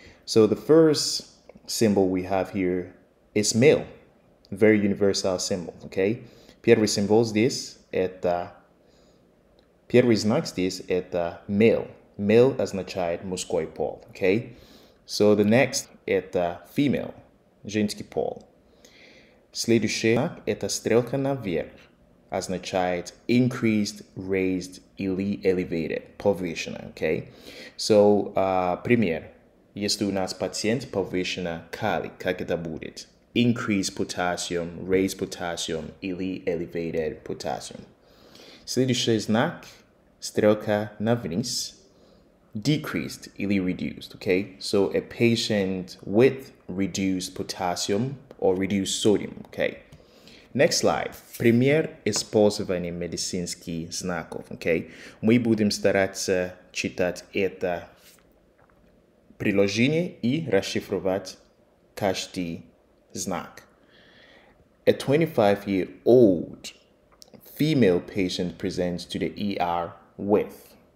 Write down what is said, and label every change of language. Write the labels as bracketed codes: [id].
[en] So the first symbol we have here is male. Very universal symbol, okay? [ru] Первый символ здесь это... Первый знак здесь это male. Male означает мужской пол, okay? [en] So the next [ru] это female, женский пол. Следующий знак это стрелка наверх. Означает [en] increased, raised, [ru] или [en] elevated, [ru] повышенно, [en] okay? [ru] So, пример, если у нас пациент повышенно калий, как это будет? [en] Increased potassium, raised potassium, [ru] или [en] elevated potassium. [ru] Следующий знак, стрелка на вниз, [en] decreased, [ru] или [en] reduced, [ru] okay? [en] So, a patient with reduced potassium or reduced sodium, okay? Next slide. [ru] Пример использования медицинских знаков. [en] Okay? [ru] Мы будем стараться читать это приложение и расшифровать каждый знак. [en] A 25-year-old female patient presents to the ER with.